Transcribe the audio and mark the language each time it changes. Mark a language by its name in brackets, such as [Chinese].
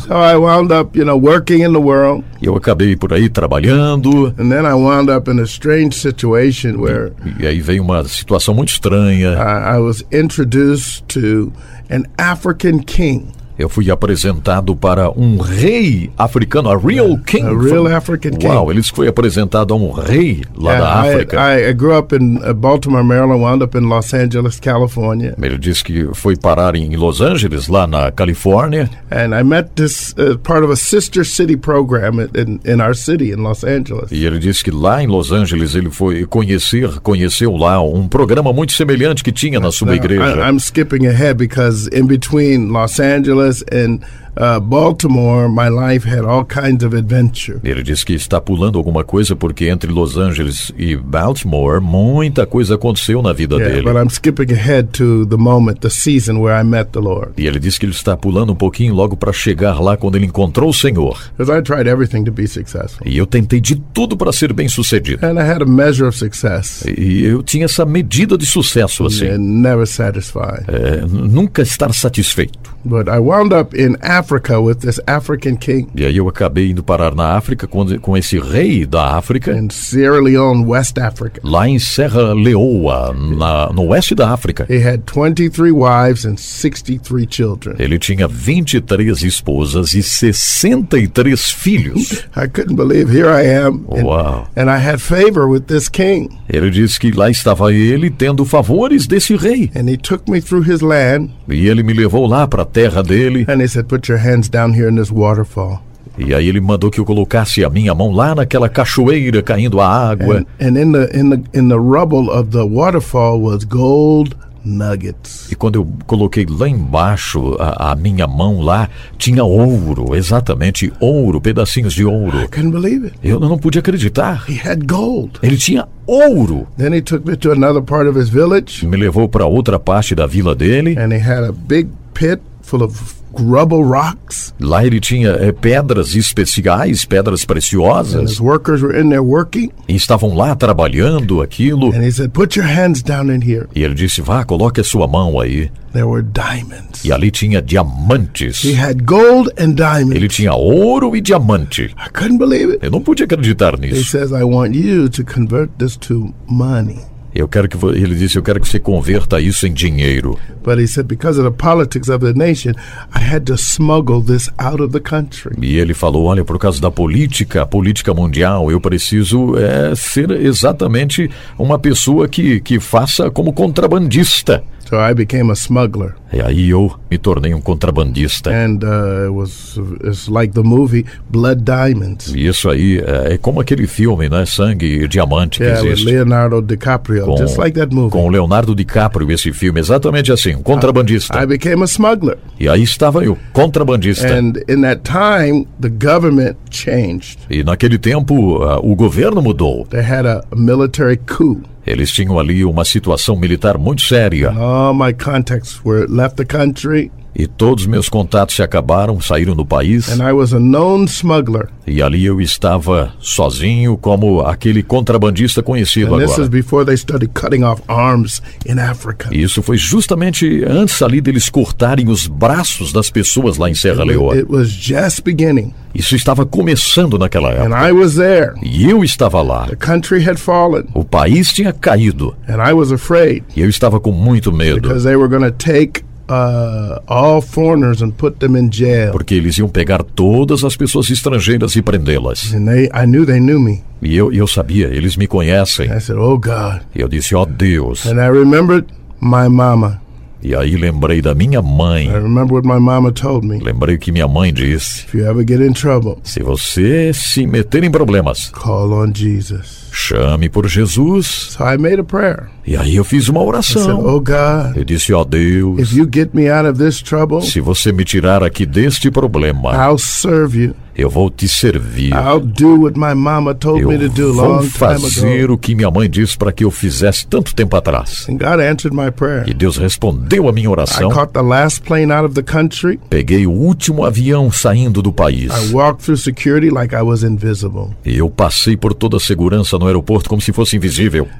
[English] So I wound up, you know, working in the world. [Portuguese] Eu acabei por aí trabalhando. [English] And then I wound up in a strange situation where. [Portuguese] E aí veio uma situação muito estranha. [English] I was introduced to an African king. [Portuguese] Eu fui apresentado para um rei africano, [English] a real king. A real African king. [Portuguese] Uau, ele disse que foi apresentado a um rei lá da África. [English] I grew up in Baltimore, Maryland, wound up in Los Angeles, California. [Portuguese] Ele disse que foi parar em Los Angeles, lá na Califórnia. [English] And I met this part of a sister city program in our city, in Los Angeles. [Portuguese] E ele disse que lá em Los Angeles ele foi conheceu lá um programa muito semelhante que tinha na sua igreja. [English] I'm skipping ahead because in between Los Angeles and Baltimore, my life had all kinds of adventure. [Portuguese] Ele disse que está pulando alguma coisa porque entre Los Angeles e Baltimore muita coisa aconteceu na vida dele. [English] But I'm skipping ahead to the moment, the season where I met the Lord. [Portuguese] E ele disse que ele está pulando um pouquinho logo para chegar lá quando ele encontrou o Senhor. [English] Because I tried everything to be successful. [Portuguese] E eu tentei de tudo para ser bem-sucedido. [English] And I had a measure of success. [Portuguese] E eu tinha essa medida de sucesso assim. [English] And never satisfied. [Portuguese] Nunca estar satisfeito. [English] But I wound up in Africa with this African king. [Portuguese] E aí eu acabei indo parar na África com esse rei da África. [English] In Sierra Leone, West Africa. [Portuguese] Lá em Serra Leoa, no oeste da África. [English] He had 23 wives and 63 children. [Portuguese] Ele tinha 23 esposas e 63 filhos. [English] I couldn't believe here I am. [Portuguese] Uau. [English] And I had favor with this king. [Portuguese] Ele disse que lá estava ele tendo favores desse rei. [English] And he took me through his land. [Portuguese] E ele me levou lá para a terra dele. [English] And he said, put your hands down here in this waterfall. [Portuguese] E aí ele mandou que eu colocasse a minha mão lá naquela cachoeira caindo a água. [English] And in the rubble of the waterfall was gold nuggets. [Portuguese] E quando eu coloquei lá embaixo a minha mão lá, tinha ouro, exatamente ouro, pedacinhos de ouro. [English] I couldn't believe it. [Portuguese] Eu não pude acreditar. [English] He had gold. [Portuguese] Ele tinha ouro. [English] Then he took me to another part of his village. [Portuguese] Me levou para outra parte da vila dele. [English] And he had a big pit full of rubble rocks. [Portuguese] Lá ele tinha pedras especiais, pedras preciosas. [English] And his workers were in there working. [Portuguese] E estavam lá trabalhando aquilo. [English] And he said, put your hands down in here. [Portuguese] E ele disse, vá, coloque a sua mão aí. [English] There were diamonds. [Portuguese] E ali tinha diamantes. [English] He had gold and diamonds. [Portuguese] Ele tinha ouro e diamante. [English] I couldn't believe it. [Portuguese] Eu não pude acreditar nisso. [English] He says, I want you to convert this to money. [Portuguese] Eu quero que ele disse, eu quero que você converta isso em dinheiro. [English] But he said because of the politics of the nation, I had to smuggle this out of the country. [Portuguese] E ele falou, olha, por causa da política, a política mundial, eu preciso ser exatamente uma pessoa que faça como contrabandista. [English] So I became a smuggler. [Portuguese] E aí eu me tornei um contrabandista. [English] And it's like the movie Blood Diamonds. [Portuguese] E isso aí é como aquele filme, né, Sangue e Diamante, que existe. [English] Yeah, Leonardo DiCaprio, just like that movie. [Portuguese] Com Leonardo DiCaprio, esse filme, exatamente assim, um contrabandista. [English] I became a smuggler. [Portuguese] E aí estava eu, contrabandista. [English] And in that time, the government changed. [Portuguese] E naquele tempo, o governo mudou. [English] They had a military coup. [Portuguese] Eles tinham ali uma situação militar muito séria. [English] All my contacts were left the country. [Portuguese] E todos meus contatos se acabaram, saíram do país. [English] And I was a known smuggler. [Portuguese] E ali eu estava sozinho como aquele contrabandista conhecido [English] and [Portuguese] agora. [English] This is before they started cutting off arms in Africa. [Portuguese] E isso foi justamente antes ali deles cortarem os braços das pessoas lá em Serra Leoa. [English] It was just beginning. [Portuguese] Isso estava começando naquela época. [English] And I was there. [Portuguese] E eu estava lá. [English] The country had fallen. [Portuguese] O país tinha caído. [English] And I was afraid. [Portuguese] E eu estava com muito medo. [English] Because they were going to take all foreigners and put them in jail. [Portuguese] Porque eles iam pegar todas as pessoas estrangeiras e prendê-las. [English] And I knew they knew me. [Portuguese] E eu sabia, eles me conhecem. [English] And I said, oh God. [Portuguese] E eu disse, oh Deus. [English] And I remembered my mama. [Portuguese] E aí lembrei da minha mãe. [English] I remember what my mama told me. [Portuguese] Lembrei o que minha mãe disse. [English] If you ever get in trouble, [Portuguese] se você se meter em problemas, [English] call on Jesus. [Portuguese] Chame por Jesus. [English] So I made a prayer. [Portuguese] E aí eu fiz uma oração. [English] I said, oh God, [Portuguese] eu disse, oh Deus, [English] if you get me out of this trouble, [Portuguese] se você me tirar aqui deste problema, [English] I'll serve you. [Portuguese] Eu vou te servir. [English] I'll do what my mama told [Portuguese] eu [English] me to do a long time [Portuguese] ago. Eu vou fazer o que minha mãe disse para que eu fizesse tanto tempo atrás. [English] And God answered my prayer. [Portuguese] E Deus respondeu a minha oração. [English] I caught the last plane out of the country. [Portuguese] Peguei o último avião saindo do país. [English] I walked through security like I was invisible. [Portuguese] E eu passei por toda a segurança no aeroporto como se fosse invisível.